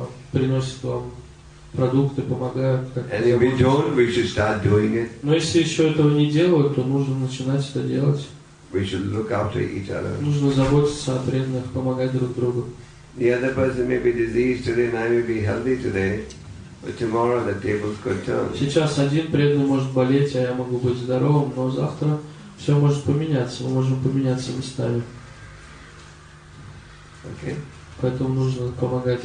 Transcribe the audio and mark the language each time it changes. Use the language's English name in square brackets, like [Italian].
[Russian] приносят вам продукты, помогают. [English] And if we don't, we should start doing it. [Russian] Но если еще этого не делают, то нужно начинать это делать. [English] We should look after each other. [Russian] Нужно заботиться о преданных, помогать друг другу. [English] The other person may be diseased today, and I may be healthy today, but tomorrow the tables could turn. [Russian] Сейчас один преданный может болеть, а я могу быть здоровым, но завтра. Все может поменяться, мы можем поменяться местами. [English] Okay. [Russian] Поэтому нужно помогать.